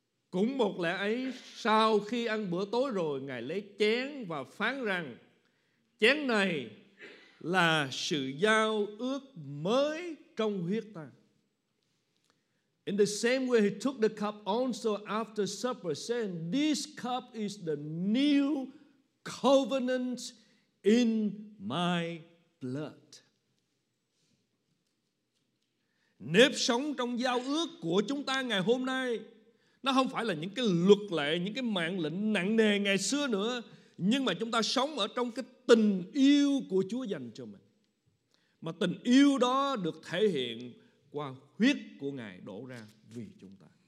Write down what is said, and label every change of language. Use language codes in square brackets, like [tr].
[vi] Cũng một lẽ ấy, sau khi ăn bữa tối rồi, Ngài lấy chén và phán rằng: chén này là sự giao ước mới trong huyết ta. [en] In the same way he took the cup also after supper, saying, this cup is the new covenant in my blood. [vi] Nếp sống trong giao ước của chúng ta ngày hôm nay, nó không phải là những cái luật lệ, những cái mạng lệnh nặng nề ngày xưa nữa, nhưng mà chúng ta sống ở trong cái tình yêu của Chúa dành cho mình. Mà tình yêu đó được thể hiện qua huyết của Ngài đổ ra vì chúng ta.